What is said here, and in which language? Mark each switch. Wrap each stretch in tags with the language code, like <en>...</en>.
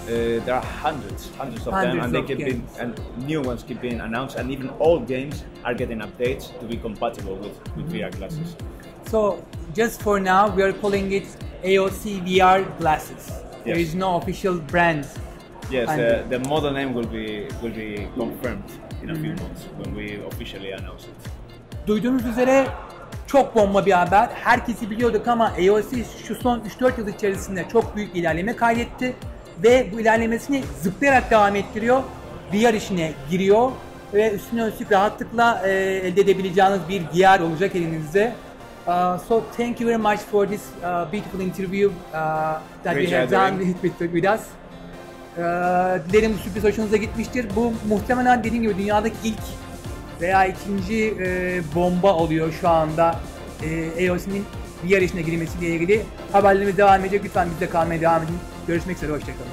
<en>there are hundreds of them, and they keep being, and new ones keep being announced, and even old games are getting updates to be compatible with VR glasses. So, just for now, we are calling it AOC VR glasses. Yes. There is no official brand. Yes, the model name will be confirmed in a few months when we officially announce it.</en> <tr>Duyduğunuz üzere çok bomba bir haber. Herkesi biliyorduk ama AOC şu son 3-4 yıl içerisinde çok büyük ilerleme kaydetti. ve bu ilerlemesini zıplayarak devam ettiriyor. VR işine giriyor ve üstüne üstlük rahatlıkla elde edebileceğiniz bir VR olacak elinizde.</tr> <en>So thank you very much for this beautiful interview that we have done with us.</en> <tr>Dilerim bu sürpriz hoşunuza gitmiştir. Bu muhtemelen dediğim gibi dünyadaki ilk veya ikinci bomba oluyor şu anda. AOC'nin VR işine girmesiyle ilgili haberlerimiz devam edecek. Lütfen bizle kalmaya devam edin. Görüşmek üzere, hoşçakalın.</tr>